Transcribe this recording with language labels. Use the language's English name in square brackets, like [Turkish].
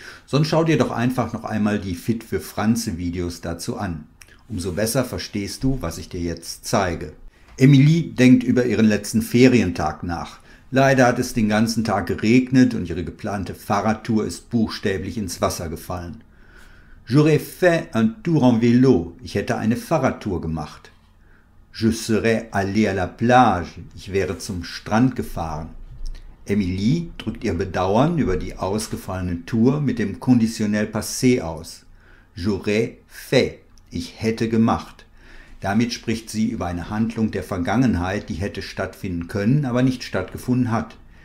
[German] Sonst schau dir doch einfach noch einmal die Fit für Franze Videos dazu an. Umso besser verstehst du, was ich dir jetzt zeige. Emilie denkt über ihren letzten Ferientag nach. Leider hat es den ganzen Tag geregnet und ihre geplante Fahrradtour ist buchstäblich ins Wasser gefallen. [French] J'aurais fait un tour en vélo. [German] Ich hätte eine Fahrradtour gemacht. [French] Je serais allé à la plage. [German] Ich wäre zum Strand gefahren. Emilie drückt ihr Bedauern über die ausgefallene Tour mit dem Conditionnel Passé aus. [French] J'aurais fait. [German] Ich hätte gemacht. Damit spricht sie über eine Handlung der Vergangenheit, die hätte stattfinden können, aber nicht stattgefunden hat.